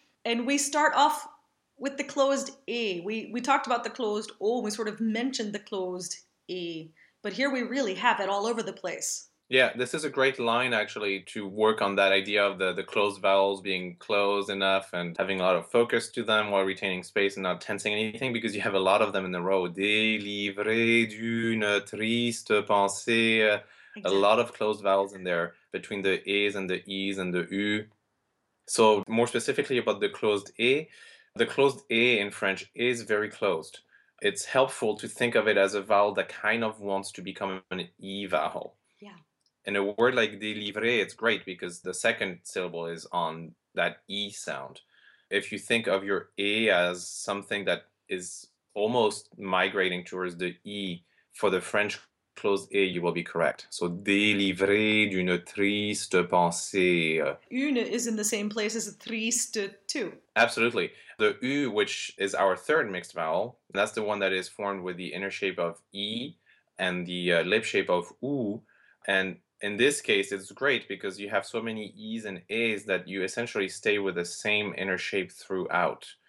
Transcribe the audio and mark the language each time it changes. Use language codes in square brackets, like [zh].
[en] And we start off with the closed A. We talked about the closed O, and we sort of mentioned the closed A. But here we really have it all over the place. Yeah, this is a great line, actually, to work on that idea of the closed vowels being closed enough and having a lot of focus to them while retaining space and not tensing anything, because you have a lot of them in the row. [fr] Délivré d'une triste pensée. [en] A lot of closed vowels in there between the A's and the E's and the U. So more specifically about the closed A, the closed A in French is very closed. It's helpful to think of it as a vowel that kind of wants to become an E vowel. Yeah. In a word like délivré, it's great because the second syllable is on that E sound. If you think of your A as something that is almost migrating towards the E for the French closed A, you will be correct. [fr] So, délivré d'une triste pensée. [en] Une is in the same place as a triste too. Absolutely. The U, which is our third mixed vowel, that's the one that is formed with the inner shape of E and the lip shape of U. And in this case, it's great because you have so many E's and A's that you essentially stay with the same inner shape throughout.